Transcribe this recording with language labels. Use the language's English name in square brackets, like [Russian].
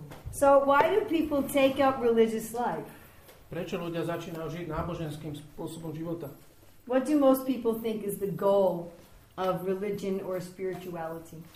[English] So why do people take up religious life? [Slovak] Prečo ľudia začínajú žiť náboženským spôsobom života? [English] What do most people think is the goal of religion or spirituality?